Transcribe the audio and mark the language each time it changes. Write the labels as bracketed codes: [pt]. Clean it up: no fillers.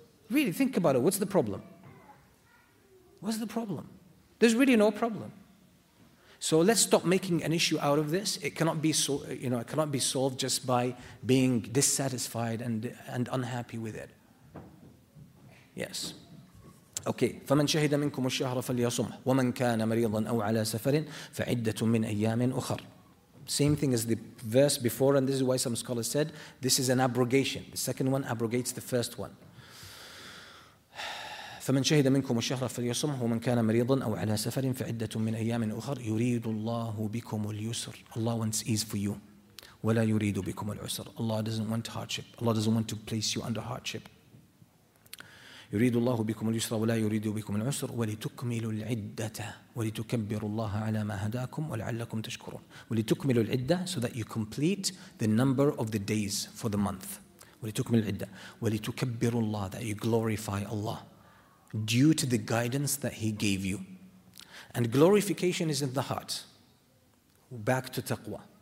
[en] Really, think about it. What's the problem? What's the problem? There's really no problem. So let's stop making an issue out of this. It cannot be it cannot be solved just by being dissatisfied and unhappy with it. Yes. Okay. [ar] فمن شهد منكم الشهر فليصم ومن كان مريضا أو على سفر فعدة من أيام أخر. [en] Same thing as the verse before, and this is why some scholars said this is an abrogation. The second one abrogates the first one. [ar] فمن شهد منكم الشهر فليصم ومن كان مريضا أو على سفر فعدة من أيام أخر يريد الله بكم اليسر. [en] Allah wants ease for you. [ar] ولا يريد بكم العسر. [en] Allah doesn't want hardship. Allah doesn't want to place you under hardship. [ar] يريد الله بكم اليسر ولا يريد بكم العسر ولتكملوا العدة ولتكبروا الله على ما هداكم ولعلكم تشكرون. ولتكملوا العدة, [en] so that you complete the number of the days for the month. [ar] ولتكملوا العدة ولتكبروا الله, [en] that you glorify Allah due to the guidance that He gave you. And glorification is in the heart. Back to taqwa.